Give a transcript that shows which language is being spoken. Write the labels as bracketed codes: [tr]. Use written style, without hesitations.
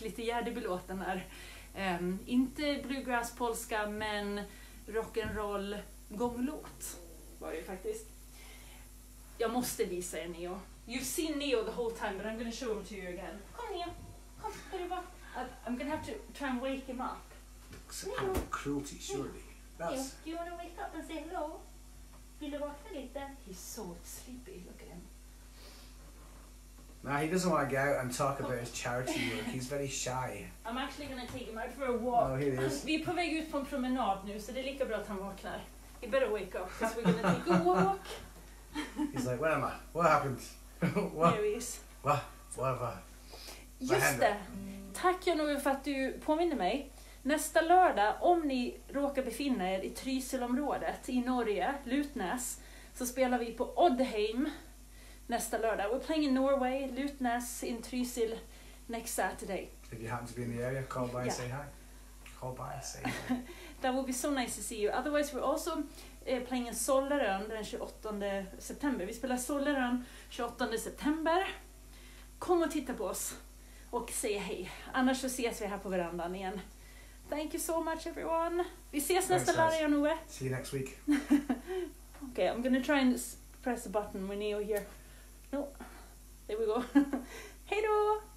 [sv] Lite hjärdebelåten där. Inte bluegrass polska, men rock'n'roll gånglåt var det ju faktiskt. Jag måste visa er Neo. [en] You've seen Neo the whole time, but I'm going to show him to you again. [sv] Kom, Neo. Kom, hur är det? [en] I'm going to have to try and wake him up. Cruelty, surely. That's... Do you want to wake up and say hello? [sv] Vill du vakna lite? [en] He's so sleepy, look at him. Nah, he doesn't want to go out and talk about his charity work. He's very shy. I'm actually going to take him out for a walk. Oh, here he is. [sv] Vi är på väg ut på en promenad nu, så det är lika bra att han vaknar. [en] He better wake up, because we're going to take a walk. He's like, where am I? What happened? What? There he is. What? What have I? [sv] Just det. Tack, Jan-Ove, för att du påminner mig. Nästa lördag, om ni råkar befinna er i Trysilområdet i Norge, Lutnäs, så spelar vi på Oddheim nästa lördag. [en] We're playing in Norway, Lutnäs in Trysil next Saturday. If you happen to be in the area, call by and say hi. Call by and say hi. That would be so nice to see you. Otherwise, we're also playing in Sollerön [sv] den 28 september. Vi spelar Sollerön 28 september. Kom och titta på oss och säg hej. Annars så ses vi här på verandan igen. [en] Thank you so much, everyone. [sv] Vi ses nästa lördag, [en] Jan-Ove. See you next week. Okay, I'm going to try and press the button with Neo here. No. There we go. [sv] Hej då!